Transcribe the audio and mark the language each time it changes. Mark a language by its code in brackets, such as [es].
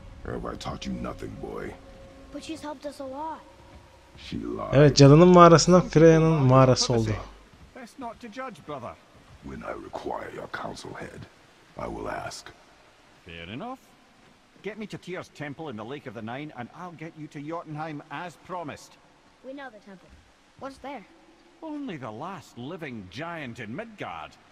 [en] Have I taught you nothing, boy? But she's helped us a lot. She lied. [tr] Evet, canının mağarasından Freya'nın mağarası oldu. [en] Best not to judge, brother. When I require your council head, I will ask. Fair enough. Get me to Tyr's temple in the Lake of the Nine, and I'll get you to Jotunheim as promised. We know the temple. What's there? Only the last living giant in Midgard.